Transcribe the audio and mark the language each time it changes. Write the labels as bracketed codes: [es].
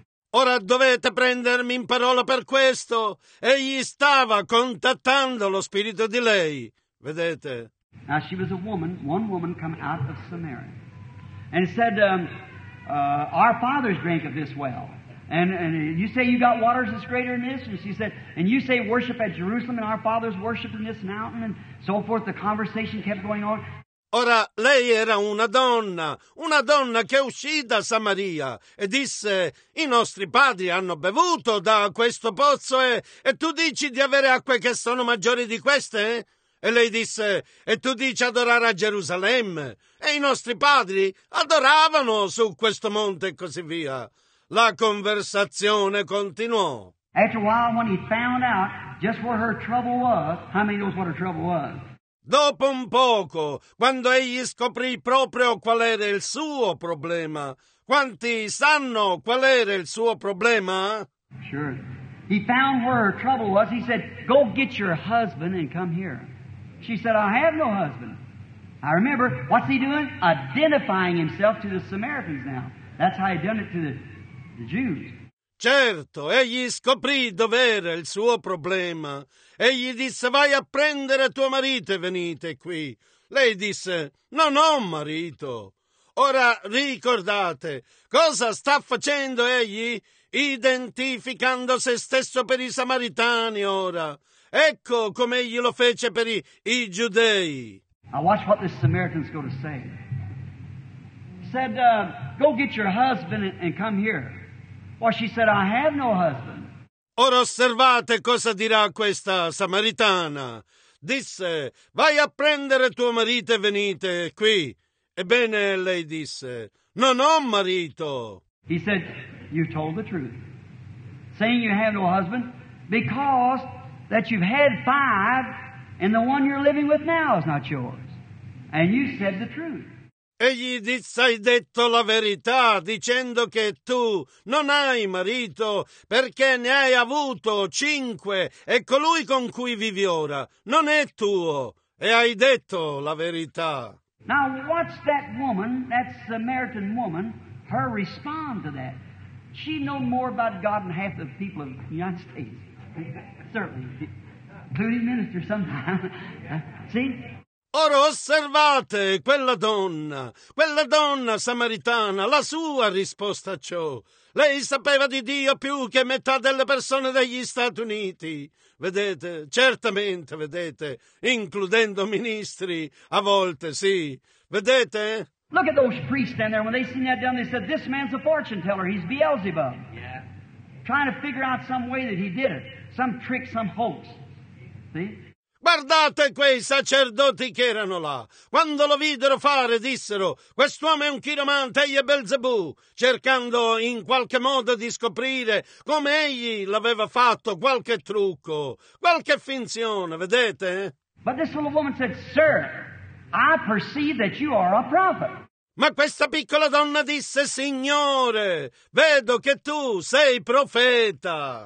[it] Ora dovete prendermi in parola per questo. Egli stava contattando lo spirito di lei. Vedete? [en] Now she was a woman, one woman come out of Samaria, and said, our fathers drank of this well, and you say you got waters that's greater than this, and she said, and you say worship at Jerusalem, and our fathers worship in this mountain, and so forth. The conversation kept going on. [it] Ora, lei era una donna che uscì da Samaria e disse, i nostri padri hanno bevuto da questo pozzo e tu dici di avere acque che sono maggiori di queste? E lei disse, e tu dici adorare a Gerusalemme? E i nostri padri adoravano su questo monte e così via. La conversazione continuò. [en] After a while, when he found out just where her trouble was, how many knows what her trouble was? [it] Dopo un poco, quando egli scoprì proprio qual era il suo problema, quanti sanno qual era il suo problema? [en] Sure. He found where her trouble was. He said, go get your husband and come here. She said, I have no husband. I remember, what's he doing? Identifying himself to the Samaritans now. That's how he done it to the Jews. [it] Certo, egli scoprì dov'era il suo problema. Egli disse, vai a prendere tuo marito e venite qui. Lei disse, non ho marito. Ora ricordate, cosa sta facendo egli? Identificando se stesso per i samaritani ora. Ecco come egli lo fece per i giudei. [en] Now watch what this Samaritan's going to say. Said, go get your husband and come here. Well, she said, I have no husband. [it] Ora osservate cosa dirà questa samaritana. Disse, vai a prendere tuo marito e venite qui. Ebbene, lei disse, non ho marito. [en] He said, you told the truth. Saying you have no husband, because that you've had five, and the one you're living with now is not yours. And you said the truth. [it] E gli disse: hai detto la verità, dicendo che tu non hai marito, perché ne hai avuto cinque, e colui con cui vivi ora non è tuo. E hai detto la verità. [en] Now watch that woman, that Samaritan woman, her respond to that. She know more about God than half the people of the United States. Certainly. Booty minister sometimes. See? [it] Ora osservate quella donna samaritana, la sua risposta a ciò. Lei sapeva di Dio più che metà delle persone degli Stati Uniti. Vedete, certamente, vedete, includendo ministri, a volte, sì. Vedete? [en] Look at those priests down there. When they seen that down, they said, this man's a fortune teller. He's Beelzebub. Yeah. Trying to figure out some way that he did it. Some trick, some hoax. See? [it] Guardate quei sacerdoti che erano là. Quando lo videro fare, dissero: quest'uomo è un chiromante, egli è Belzebù, cercando in qualche modo di scoprire come egli l'aveva fatto, qualche trucco, qualche finzione, vedete? [en] But this little woman said, sir, I perceive that you are a prophet. [it] Ma questa piccola donna disse: signore, vedo che tu sei profeta.